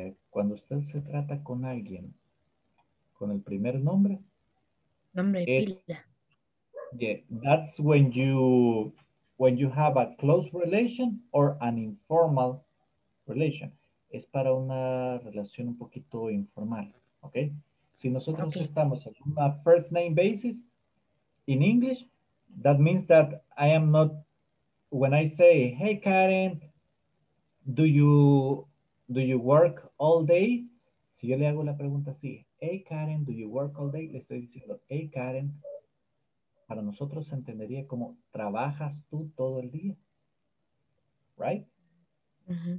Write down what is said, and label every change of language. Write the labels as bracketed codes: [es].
[es] Cuando usted se trata con alguien, con el primer nombre. Nombre de pila. [en] Yeah, that's when you have a close relation or an informal relation. [es] Es para una relación un poquito informal, ¿ok? Si nosotros okay. estamos en una [en] first name basis, in English, that means that I am not, when I say, hey Karen, do you work all day? [es] Si yo le hago la pregunta así, [en] hey Karen, do you work all day? [es] Le estoy diciendo, hey Karen, para nosotros se entendería como, ¿trabajas tú todo el día? Right? Mm-hmm.